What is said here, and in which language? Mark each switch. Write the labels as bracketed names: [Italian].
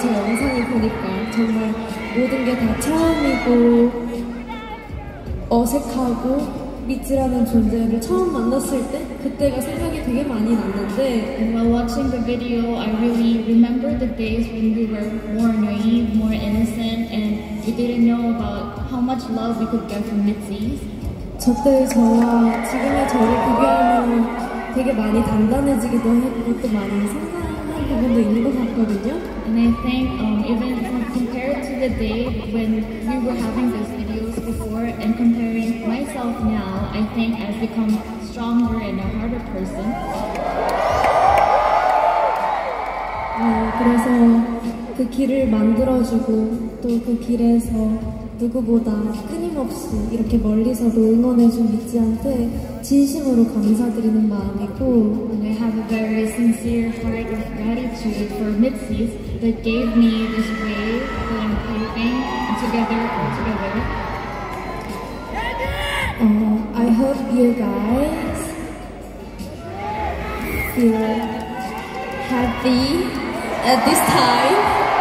[Korean] 저 영상을 보니까 정말 모든 게 다 처음이고 어색하고 미츠라는 존재를 처음 만났을 때 그때가 생각이 되게 많이 났는데 [English] And while watching the video, I really remember the days when we were more naive, more innocent, and we didn't know about how much love we could get from Mitzy. [Korean] 저때 저와 지금의 저를 비교하면 되게 많이 단단해지기도 했고 또 많이 성장한 부분도 있는 것 같거든요. [English] And I think even compared to the day when we were having those videos before and comparing myself now, I think I've become stronger and a harder person. [Korean] 그래서 그 길을 만들어주고 또 그 길에서 누구보다 끊임없이 이렇게 멀리서도 응원해준 미지한테 진심으로 감사드리는 마음이고 [English] And I have a very sincere heart of gratitude for Mitzy that gave me this way that I'm paving together all together. I hope you guys feel happy at this time.